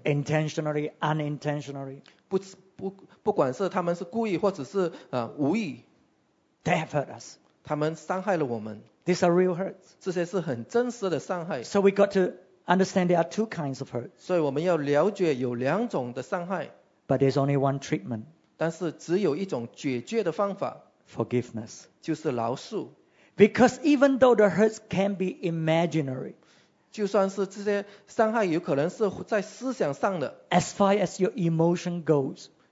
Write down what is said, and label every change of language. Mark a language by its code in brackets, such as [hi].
[en] Intentionally, unintentionally. [zh] 不管是他们是故意或者是无意。 [en] They have hurt us. [zh] 他们伤害了我们。 [en] These are real hurts. [zh] 这些是很真实的伤害。 [en] So we got to understand there are two kinds of hurts. [zh] 所以我们要了解有两种的伤害。 [en] But there's only one treatment. [zh] 但是只有一种解决的方法。 [en] Forgiveness. [zh] 就是饶恕。 [en] Because even though the hurts can be imaginary, [zh] 就算是这些伤害有可能是在思想上的, [en] as far as your emotion goes,